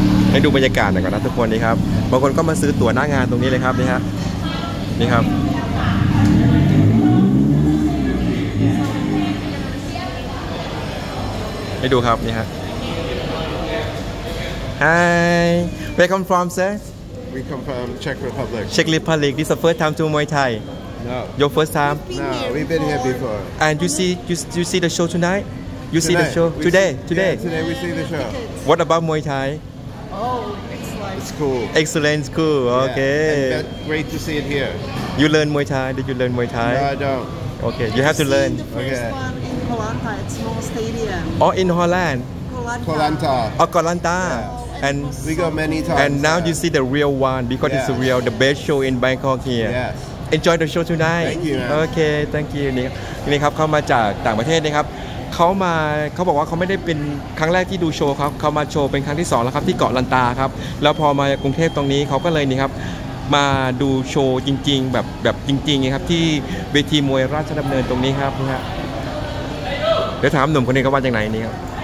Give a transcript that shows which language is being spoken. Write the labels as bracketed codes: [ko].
[th] ให้ดูบรรยากาศหน่อยก่อนนะทุกคนนี่ครับบางคนก็มาซื้อตั๋วหน้างานตรงนี้เลยครับนี่ฮะนี่ครับให้ดูครับนี่ฮะ [en] Hi Welcome from sir We come from Czech Republic. Czech Republic. This is the first time to Muay Thai. No. Your first time? No, we've been here before. And you see the show tonight? Today? Yeah, today we see the show. What about Muay Thai? Oh, excellent. It's cool. Excellent, it's cool. Yeah. Okay. Great to see it here. You learn Muay Thai? Did you learn Muay Thai? No, I don't. Okay, you have to learn. The first one in Kolanta, it's a small stadium. Oh, in Holland? Kolanta. Oh, Kolanta. Yeah. And we go many times. And now you see the real one because it's real, the best show in Bangkok here. Yes. Enjoy the show tonight. Thank you. Okay. Thank you. [th] นี่ครับเขามาจากต่างประเทศนะครับเขาบอกว่าเขาไม่ได้เป็นครั้งแรกที่ดูโชว์ครับเขามาโชว์เป็นครั้งที่สองแล้วครับที่เกาะลันตาครับแล้วพอมากรุงเทพตรงนี้เขาก็เลยนี่ครับมาดูโชว์จริงๆแบบจริงๆนะครับที่เวทีมวยราชดำเนินตรงนี้ครับนะฮะเดี๋ยวถามหนุ่มคนนี้เขาว่าจากไหนนี่ครับ